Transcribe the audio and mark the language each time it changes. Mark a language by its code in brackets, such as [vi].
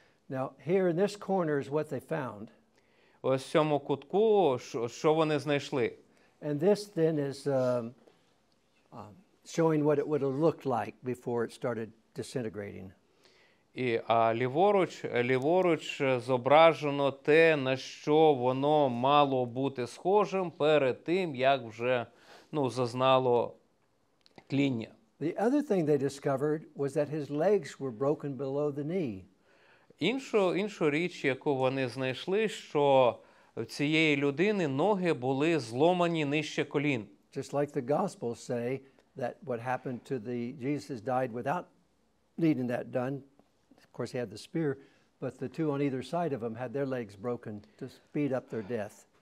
[en] Now, here in this corner is what they found. [uk] Ось в цьому кутку що вони знайшли. [en] And this then is showing what it would have looked like before it started disintegrating. [uk] І ліворуч зображено те, на що воно мало бути схожим перед тим, як вже, ну, зазнало тління. [en] The other thing they discovered was that his legs were broken below the knee. [uk] Іншу річ, яку вони знайшли, що в цієї людини ноги були зломані нижче колін. [en] Just like the Gospels say that what happened to the Jesus died without needing that done. Of course, he had the spear, but the two on either side of him had their legs broken to speed up their death.